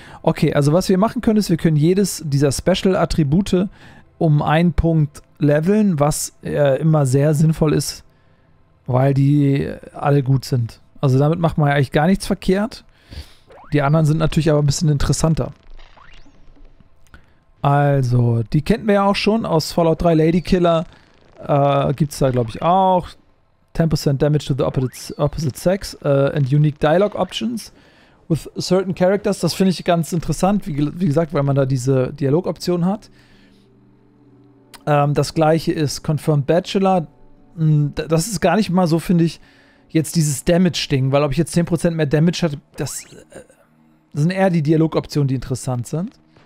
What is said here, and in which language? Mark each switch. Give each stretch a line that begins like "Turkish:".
German: Okay, also was wir machen können, ist, wir können jedes dieser Special-Attribute um einen Punkt leveln, was immer sehr sinnvoll ist, weil die alle gut sind. Also damit macht man ja eigentlich gar nichts verkehrt. Die anderen sind natürlich aber ein bisschen interessanter. Also, die kennen wir ja auch schon aus Fallout 3 Ladykiller. Gibt es da, glaube ich, auch.
English: 10% Damage to the opposite sex and unique dialogue options with certain characters.
German: Das finde ich ganz interessant, wie gesagt, weil man da diese Dialogoption hat. Das gleiche ist Confirmed Bachelor. Das ist gar nicht mal so, finde ich, jetzt dieses Damage-Ding, weil ob ich jetzt 10% mehr Damage hatte, das sind eher die Dialogoptionen, die interessant sind.